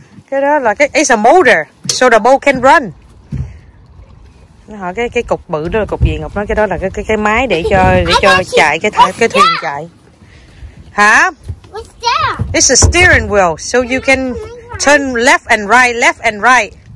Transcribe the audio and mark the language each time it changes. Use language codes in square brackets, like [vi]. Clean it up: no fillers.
[vi] Cái đó là cái, [en] it's a motor, so the boat can run. [vi] Hỏi cái cục bự đó là cục gì Ngọc nói, cái đó là cái máy để cho chạy cái thuyền chạy. Hả? [en] It's a steering wheel, so you can turn left and right, left and right.